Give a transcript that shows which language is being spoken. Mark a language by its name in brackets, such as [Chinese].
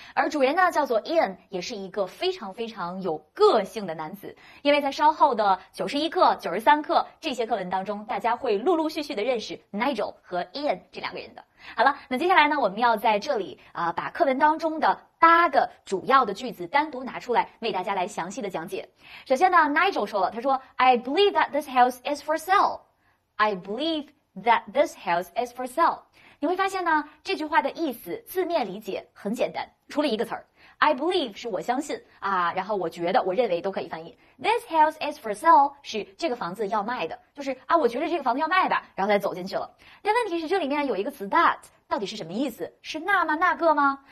[Chinese] 而主人呢叫做 Ian， 也是一个非常非常有个性的男子。因为在稍后的91课93课这些课文当中，大家会陆陆续续的认识 Nigel 和 Ian 这两个人的。好了，那接下来呢我们要在这里把课文当中的8个主要的句子单独拿出来为大家来详细的讲解。首先呢 Nigel 说了，他说 [English] I believe that this house is for sale， I believe that this house is for sale。 [Chinese] 你会发现呢这句话的意思字面理解很简单，除了一个词儿， I believe 是我相信啊，然后我觉得我认为都可以翻译， [English] this house is for sale [Chinese] 是这个房子要卖的，就是啊我觉得这个房子要卖吧，然后再走进去了。但问题是这里面有一个词 that，到底是什么意思？是那吗？那个吗？